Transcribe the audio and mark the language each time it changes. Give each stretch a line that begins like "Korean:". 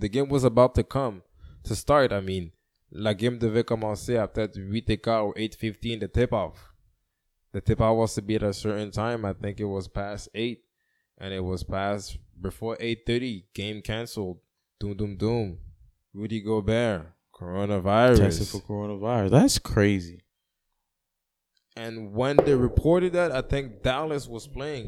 English: The game was about to come, to start, I mean.
French: La game devait commencer à peut-être 8 écart
English: or 8:15, the tip-off. The tip-off was to be at a certain time. I think it was past 8. And it was past before 8:30. Game canceled. Doom, doom, doom. Rudy Gobert. Coronavirus. Tested for coronavirus. That's crazy. And when they reported that, I think Dallas was playing.